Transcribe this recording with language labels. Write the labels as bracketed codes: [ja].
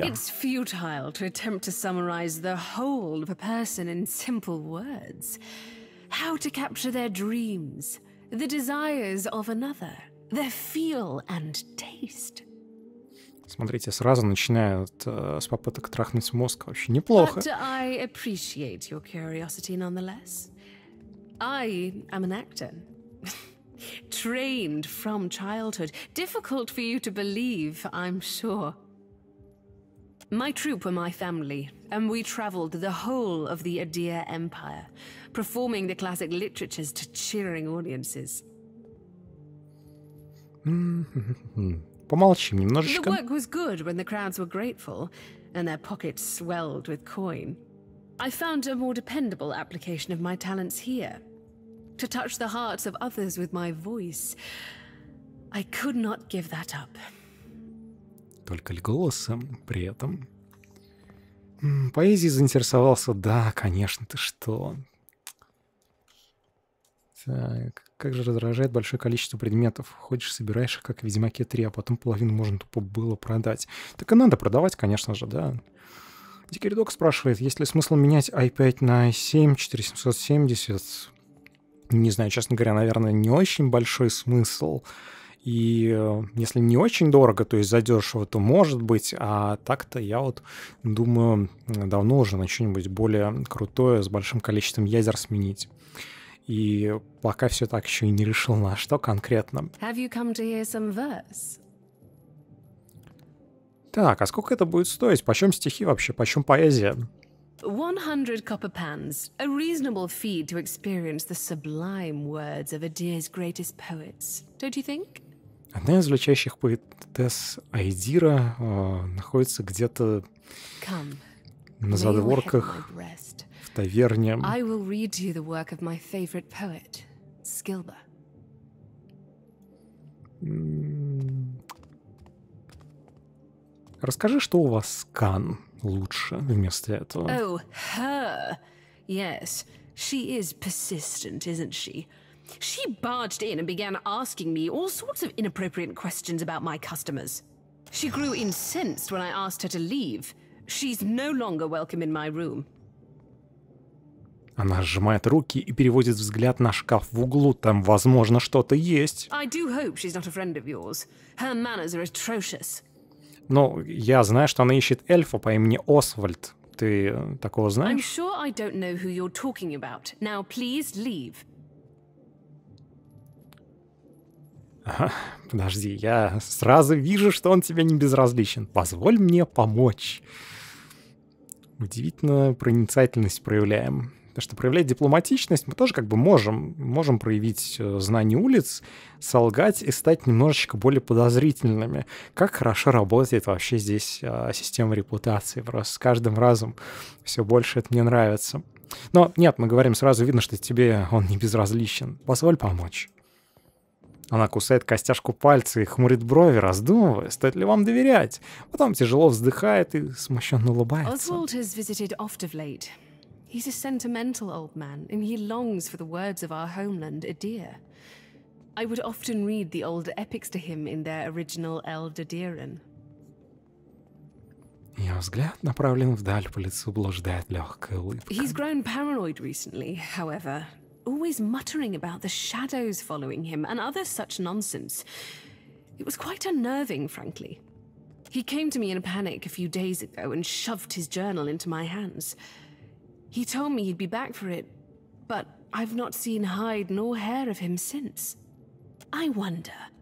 [en] It's futile to attempt to summarize the whole of a person in simple words. How to capture their dreams, the desires of another, their feel and taste. [ru] Смотрите, сразу начинают с попыток трахнуть мозг. Вообще неплохо. [en] But I appreciate your curiosity nonetheless. I am an actor. Trained from childhood. Difficult for you to believe, I'm sure. My troupe were my family, and we traveled the whole of the Adir Empire, performing the classic literatures to cheering audiences. [ru] Помолчи немножечко. [en] The work was good when the crowds were grateful and their pockets swelled with coin. I found a more dependable application of my talents here. To touch the hearts of others with my voice. I could not give that up. [ru] Только ли голосом при этом? Поэзией заинтересовался? Да, конечно, ты что? Так... Как же раздражает большое количество предметов. Ходишь, собираешь их, как в Ведьмаке 3, а потом половину можно тупо было продать. Так и надо продавать, конечно же, да. Дикеридок спрашивает, есть ли смысл менять i5 на i7, 4770? Не знаю, честно говоря, наверное, не очень большой смысл. И если не очень дорого, то есть задешево, то может быть. А так-то я вот думаю, давно уже на что-нибудь более крутое с большим количеством ядер сменить. И пока все так еще и не решил, на что конкретно. [en] Have you come to hear some verse? [ru] Так, а сколько это будет стоить? Почем стихи вообще? Почем поэзия? [en] 100 copper pans, a reasonable fee to experience the sublime words of Adir's greatest poets, don't you think? [ru] Одна из величайших поэтесс Айдира находится где-то на задворках в таверне. [en] I will read you the work of my favorite poet, Skilba. [ru] Расскажи, что у вас Кан лучше вместо этого. [en] Oh, her. Yes, she is persistent, isn't she? She barged in and began asking me all sorts of inappropriate questions about my customers. She grew incensed when I asked her to leave. She's no longer welcome in my room. [ru] Она сжимает руки и переводит взгляд на шкаф в углу. Там, возможно, что-то есть. [en] I do hope she's not a friend of yours. Her manners are atrocious. [ru] Ну, я знаю, что она ищет эльфа по имени Освальд. Ты такого знаешь? [en] I'm sure I don't know who you're talking about. Now please leave. [ru] Ага, подожди, я сразу вижу, что он тебе не безразличен. Позволь мне помочь. Удивительно, проницательность проявляем. Потому что проявлять дипломатичность мы тоже как бы можем. Можем проявить знание улиц, солгать и стать немножечко более подозрительными. Как хорошо работает вообще здесь система репутации. Просто с каждым разом все больше это мне нравится. Но нет, мы говорим, сразу видно, что тебе он не безразличен. Позволь помочь. Она кусает костяшку пальца и хмурит брови, раздумывая, стоит ли вам доверять. Потом тяжело вздыхает и смущенно улыбается. [en] Oswald has visited oft of late. He's a sentimental old man, and he longs for the words of our homeland, Adir. I would often read the old epics to him in their original Eldadiran. [ru] Ее взгляд направлен вдаль, по лицу блуждает легкая улыбка. [en] He's grown paranoid recently, however. Always muttering about the shadows following him and other such nonsense. It was quite unnerving, frankly. He came to me in a panic a few days ago and shoved his journal into my hands. He told me he'd be back for it, but I've not seen hide nor hair of him since. I wonder.